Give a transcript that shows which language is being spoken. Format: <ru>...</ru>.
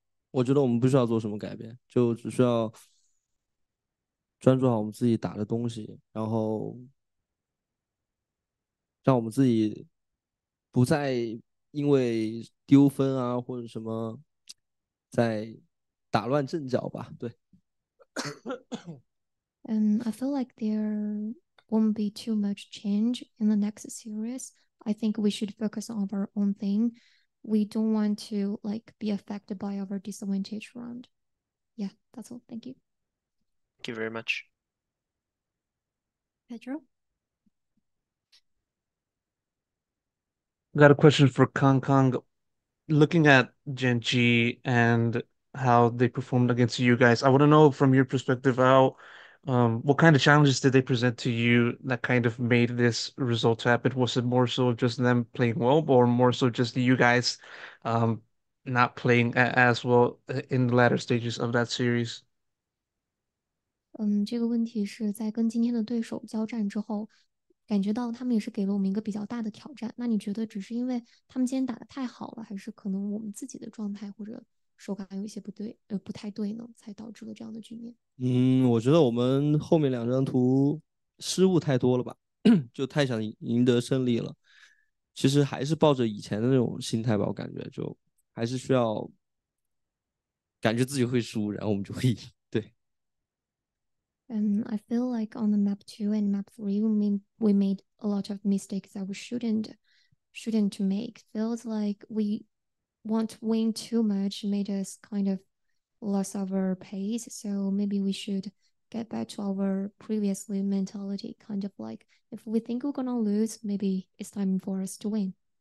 <zh>我觉得我们不需要做什么改变，就只需要专注好我们自己打的东西，然后让我们自己不再因为丢分啊或者什么在打乱阵脚吧。对。</zh> <en>I feel like there won't be too much change in the next series. I think we should focus on our own thing. We don't want to like be affected by our disadvantage round. Yeah, that's all. Thank you. Thank you very much. Pedro? Got a question for Kong Kong. Looking at Genji and how they performed against you guys, I want to know from your perspective how what kind of challenges did they present to you that kind of made this result happen? Was it more so just them playing well, or more so just you guys not playing as well in the latter stages of that series?</en> <zh>这个问题是在跟今天的对手交战之后，感觉到他们也是给了我们一个比较大的挑战。那你觉得只是因为他们今天打得太好了，还是可能我们自己的状态或者手感有一些不对，不太对呢，才导致了这样的局面？我觉得我们后面两张图失误太多了吧，就太想赢得胜利了。其实还是抱着以前的那种心态吧，我感觉就还是需要感觉自己会输，然后我们就会赢。</zh> <en>I feel like on the map 2 and map 3, we made a lot of mistakes that we shouldn't to make. Feels like we want to win too much, made us kind of lose our pace. So maybe we should get back to our previously mentality, kind of like if we think we're gonna lose, maybe it's time for us to win.</en>